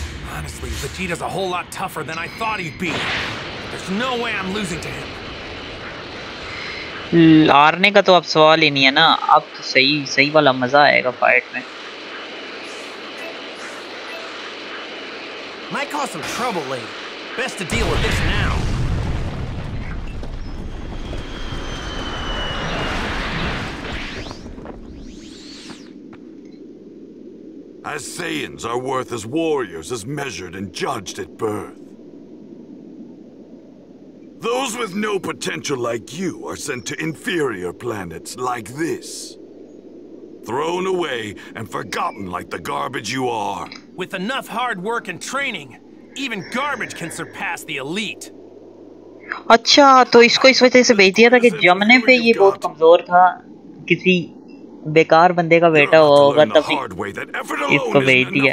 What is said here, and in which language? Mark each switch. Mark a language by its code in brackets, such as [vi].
[en] Honestly, Vegeta's a whole lot tougher than I thought he'd be. There's no way I'm losing to him. [hi] लारने का तो अब सवाल ही नहीं है ना. अब तो सही सही वाला मजा आएगा फाइट में. [en] Might cause some trouble later. Best to deal with this now. As Saiyans are worth as warriors as measured and judged at birth. Those with no potential like you are sent to inferior planets like this. Thrown away and forgotten like the garbage you are. With enough hard work and training, even garbage can surpass the elite. [hi] अच्छा तो इसको इस वजह से भेज दिया था कि जमने पे ये बहुत कमजोर था किसी बेकार बंदे का बेटा होगा तब इसको भेज दिया